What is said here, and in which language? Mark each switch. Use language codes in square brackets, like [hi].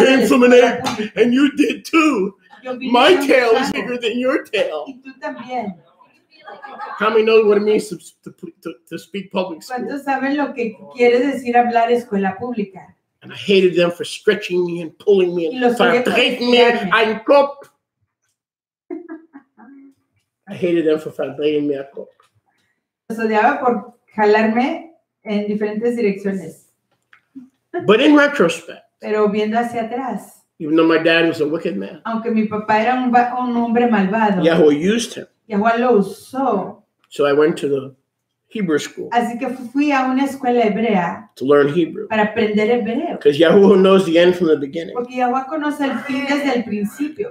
[en] I came from an egg and you did too. My tail is bigger than your tail. [es] Y tú también. [en] How many know what it means to speak public school? [es] ¿Cuántos saben lo que quiere decir hablar escuela pública? [en] And I hated them for stretching me and pulling me and fabricating me and cook. I hated them for fabricating me and cook. [es] Los odiaba por jalarme en diferentes direcciones. [en] But in retrospect. [es] Pero viendo hacia atrás. [en] Even though my dad was a wicked man. [es] Aunque mi papá era un hombre malvado. [en] Yahweh used him. [es] Yahweh lo usó. [en] So I went to the Hebrew school. [es] Así que fui a una escuela hebrea. [en] To learn Hebrew. [es] Para aprender hebreo. [en] Because Yahweh knows the end from the beginning. [es] Porque Yahweh conoce el fin desde el principio.